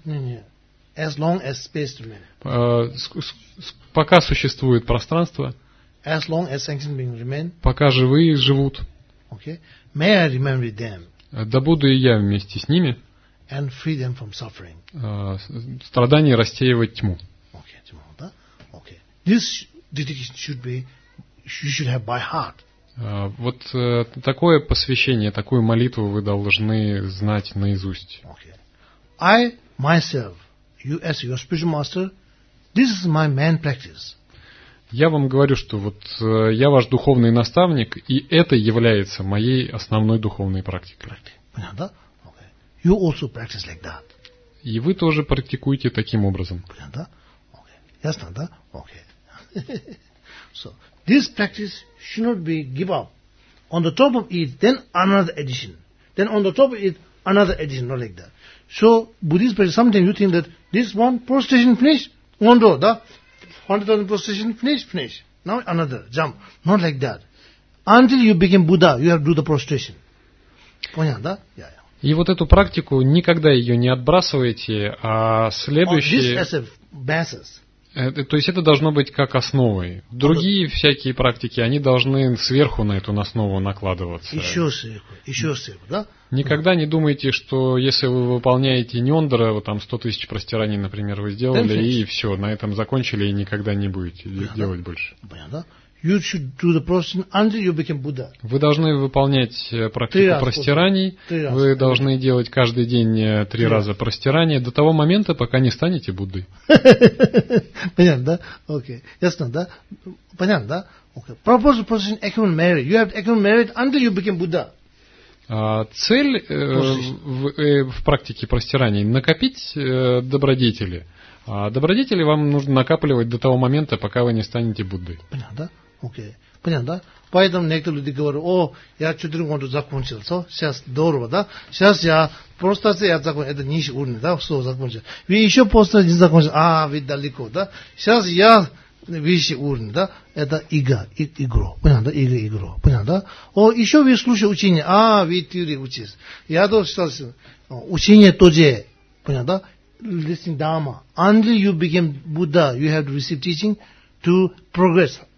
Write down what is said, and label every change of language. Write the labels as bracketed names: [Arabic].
[English] as long as space remains, [Russian] пока существует пространство, [English] as long as sentient beings remain, [Russian] пока живые живут, [English] okay. May I remain with them? [Russian] Да буду и я вместе с ними. [English] And free them from suffering. [Russian] Страдание рассеивать тьму. [English] Okay, [Russian] тьму, да? [English] Okay. This dedication should be, you should have by heart. [Russian] Вот такое посвящение, такую молитву вы должны знать наизусть. [English] Okay. I myself, you as your spiritual master, this is my main practice. [Russian] Я вам говорю, что вот я ваш духовный наставник, и это является моей основной духовной практикой. Понятно, да? [English] Okay. You also practice like that. [Russian] И вы тоже практикуете таким образом. Понятно, да? Okay. Ясно, да? Okay. [English] So, this practice should not be give up. On the top of it, then another addition. Then on the top of it, another addition, not like that. So, Buddhist practice, sometimes you think that this one prostration finished, one door, да? 100,000 prostration, finish. Now another, jump. Not like that. Until you become Buddha, you have to do the prostration. [Russian] Понятно, да? Yeah, yeah. И вот эту практику никогда ее не отбрасываете, а следующие... [English] This as a basis. [Russian] То есть это должно быть как основой. Другие всякие практики, они должны сверху на эту основу накладываться. Еще сверху, да? Никогда не думайте, что если вы выполняете ньондра, вот там 100 тысяч простираний, например, вы сделали, и все, на этом закончили, и никогда не будете делать больше. [English] You should do the prostration until you become Buddha. [Russian] Вы должны выполнять практику простираний. Вы должны делать каждый день три раза простирания до того момента, пока не станете Буддой. Понятно, да? Окей. Ясно, да? Понятно, да? Окей. [English] Propose prostration equivalent merit. You have equivalent merit until you become Buddha. [Russian] Цель в практике простираний – накопить добродетели. А добродетели вам нужно накапливать до того момента, пока вы не станете Буддой. Понятно, да? Окей. Okay. Понятно, да? Поэтому некоторые люди говорят, о, я 4 года закончил, что? Сейчас здорово, да? Сейчас я просто закончил, это низший уровень, да? Все закончил. Вы еще просто не закончили, вы далеко, да? Сейчас я высший уровень, да? Это игра, игру. Понятно, да? Игра. Понятно, да? О, еще вы слушаете учение, вы теорию учитесь. Я должен сказать, учение то же. Понятно, да? [English] Listen, Dharma. Until you became Buddha, you have to receive teaching to progress.